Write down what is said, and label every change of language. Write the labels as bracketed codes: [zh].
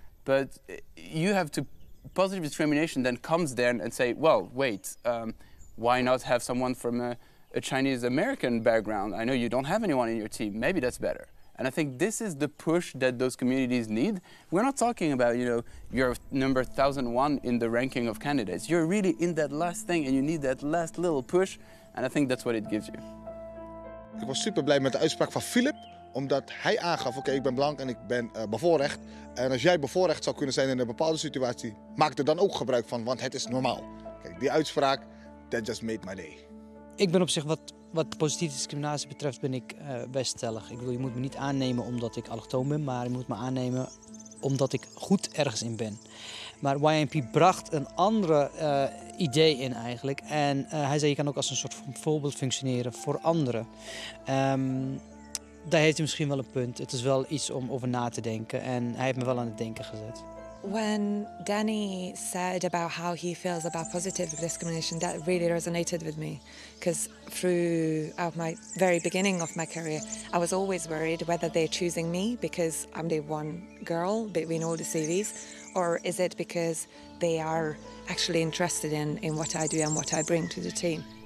[en] But you have to, positive discrimination then comes then and say, well, wait, why not have someone from a Chinese-American background? I know you don't have anyone in your team. Maybe that's better. And I think this is the push that those communities need. We're not talking about, you know, you're number 1,001 in the ranking of candidates. You're really in that last thing and you need that last little push. And I think that's what it gives you. [nl] Ik was super blij met de uitspraak van Philip, omdat hij aangaf, oké, ik ben blank en ik ben bevoorrecht. En als jij bevoorrecht zou kunnen zijn in een bepaalde situatie, maak er dan ook gebruik van, want het is normaal. Kijk, die uitspraak, [en] that just made my day. [nl] Ik ben op zich wat positieve discriminatie betreft, ben ik best stellig. Ik bedoel, je moet me niet aannemen omdat ik allochtoon ben, maar je moet me aannemen omdat ik goed ergens in ben. Maar YNP bracht een andere idee in eigenlijk. En hij zei, je kan ook als een soort van voorbeeld functioneren voor anderen. Daar heeft hij misschien wel een punt. Het is wel iets om over na te denken. En hij heeft me wel aan het denken gezet. [en] When Danny said about how he feels about positive discrimination, that really resonated with me. Because throughout my very beginning of my career, I was always worried whether they're choosing me because I'm the one girl between all the CVs, or is it because they are actually interested in what I do and what I bring to the team.